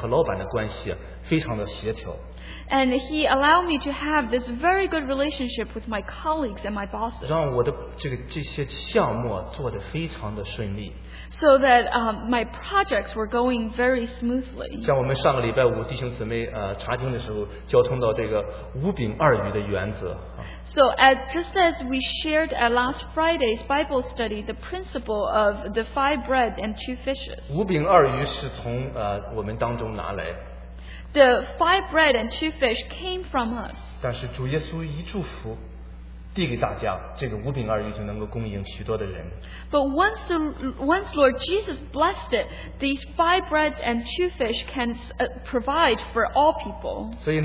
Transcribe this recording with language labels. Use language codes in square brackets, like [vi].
[zh] 他们让我和其他同事的关系和老板的关系非常的协调。 [en] And he allowed me to have this very good relationship with my colleagues and my bosses. [zh] 让我的这些项目做得非常的顺利。 [en] So that my projects were going very smoothly. [zh] 像我们上个礼拜五弟兄姊妹查经的时候，交通到这个五饼二鱼的原则。 [en] So just as we shared at last Friday's Bible study, the principle of the 5 bread and 2 fishes. [zh] 五饼二鱼是从我们当中拿来。 [en] The 5 bread and 2 fish came from us. [zh] 但是主耶稣一祝福。递给大家，这个五饼二鱼就能够供应许多的人。 [en] But once Lord Jesus blessed it, these 5 bread and 2 fish can provide for all people.